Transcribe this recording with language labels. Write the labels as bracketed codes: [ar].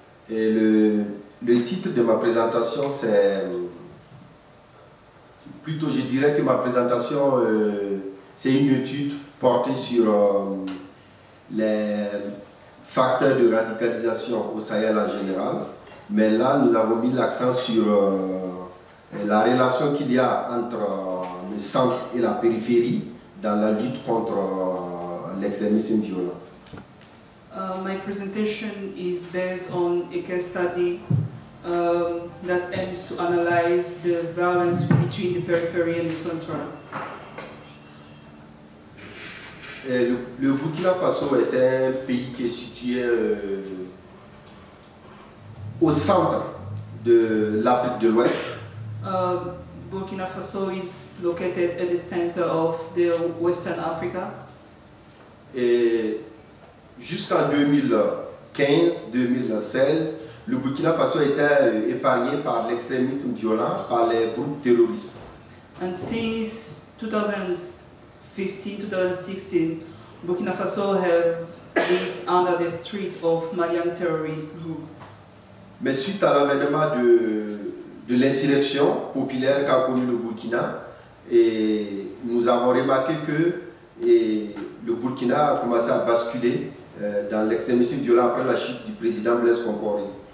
[fr] Et le titre de ma présentation, c'est plutôt, je dirais que ma présentation, c'est une étude portée sur les facteurs de radicalisation au Sahel en général. Mais là, nous avons mis l'accent sur la relation qu'il y a entre le centre et la périphérie dans la lutte contre l'extrémisme violent. [en] My presentation is based on a case study that aims to analyze the violence between the periphery and the central. [fr] Le Burkina Faso est un pays qui est situé au centre de l'Afrique de l'Ouest. [en] Burkina Faso is located at the center of the Western Africa. [fr] Et jusqu'en 2015-2016, le Burkina Faso était épargné par l'extrémisme violent, par les groupes terroristes. [en] And since 2015-2016, Burkina Faso have lived under the threat of Malian terrorist group. [fr] Mais suite à l'avènement de l'insurrection populaire qu'a connu le Burkina, et nous avons remarqué que le Burkina a commencé à basculer dans l'extrémisme violent après la chute du président Blaise Compaoré.